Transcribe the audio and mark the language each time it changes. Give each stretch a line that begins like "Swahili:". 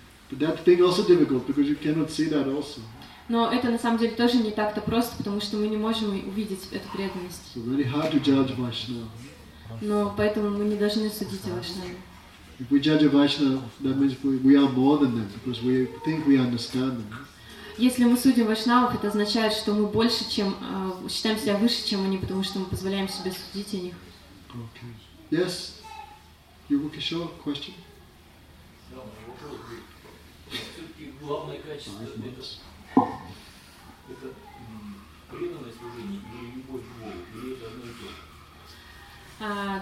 English: But that thing also difficult because you cannot see that also.
Russian: Но это на самом деле тоже не так-то просто, потому что мы не можем увидеть эту преданность.
English: So very hard to judge Vaishnava.
Russian: Но поэтому мы не должны судить Вайшнава.
English: If we judge Vaishnava, that means we are more than them because we think we understand them.
Russian: Если мы судим вайшнавов, это означает, что мы больше, чем считаем себя выше, чем они, потому что мы позволяем себе судить о них.
English: Okay. Yes. Yuva Kishore, question.
Russian: Главное качество это преданное служение или любовь к Богу, или это одно и то же?